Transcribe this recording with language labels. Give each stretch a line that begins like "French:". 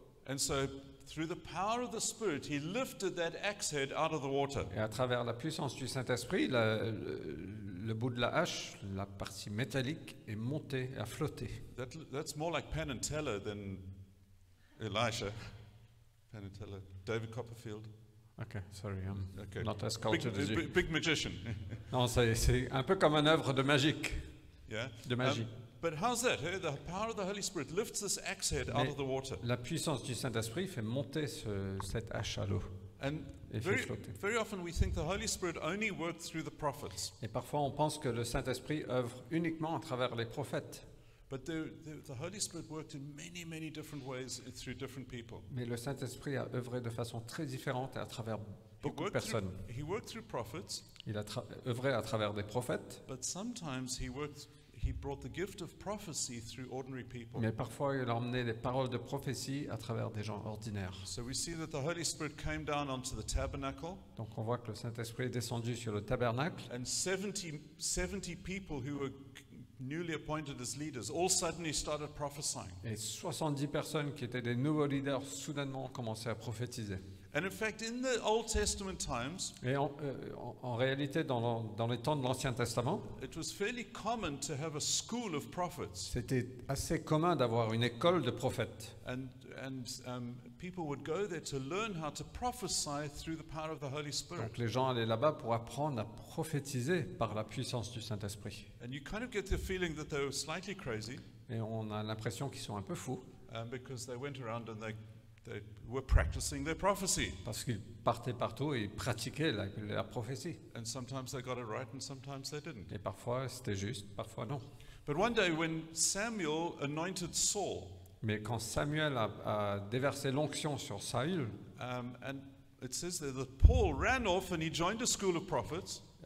English: And so through the power of the Spirit, he lifted that axe head out of the water.
French: Et à travers la puissance du Saint-Esprit, le bout de la hache, la partie métallique, est montée et a flotté.
English: That's more like Penn and Teller than Elisha. Penn and Teller. David Copperfield. Okay, sorry, I'm okay. Not as cultured big, as you. Big magician.
French: Non, c'est un peu comme une œuvre de magie.
English: Yeah.
French: De magie.
English: But how's that? Hey, the power of the Holy Spirit lifts this axe head out of the water.
French: La puissance du Saint-Esprit fait monter cette hache à l'eau.
English: And very often we think the Holy Spirit only worked through the prophets.
French: Et parfois on pense que le Saint-Esprit œuvre uniquement à travers les prophètes.
English: But the Holy Spirit worked in many many different ways through different people.
French: Mais le Saint-Esprit a œuvré de façon très différente à travers beaucoup de personnes.
English: He worked through prophets.
French: Il a œuvré à travers des prophètes.
English: But sometimes he brought the gift of prophecy through ordinary people.
French: Mais parfois il a emmené les paroles de prophétie à travers des gens ordinaires.
English: So we see that the Holy Spirit came down onto the tabernacle.
French: Donc on voit que le Saint-Esprit est descendu sur le tabernacle.
English: And 70 people who were newly appointed as leaders all suddenly started prophesying.
French: Et 70 personnes qui étaient des nouveaux leaders soudainement ont commencé à prophétiser.
English: And in fact, in the Old Testament times,
French: en réalité, dans les temps de l'Ancien Testament,
English: it was fairly common to have a school of prophets.
French: C'était assez commun d'avoir une école de prophètes.
English: And people would go there to learn how to prophesy through the power of the Holy Spirit.
French: Donc les gens allaient là-bas pour apprendre à prophétiser par la puissance du Saint-Esprit.
English: And you kind of get the feeling that they were slightly crazy.
French: Et on a l'impression qu'ils sont un peu fous.
English: Because they went around and they were practicing their prophecy.
French: Parce qu'ils partaient partout et ils pratiquaient la prophétie.
English: And sometimes they got it right and sometimes they didn't.
French: Et parfois c'était juste, parfois non.
English: But one day when Samuel anointed Saul.
French: Mais quand Samuel a déversé l'onction sur Saül.
English: And it says that Paul ran off and he joined a school of prophets.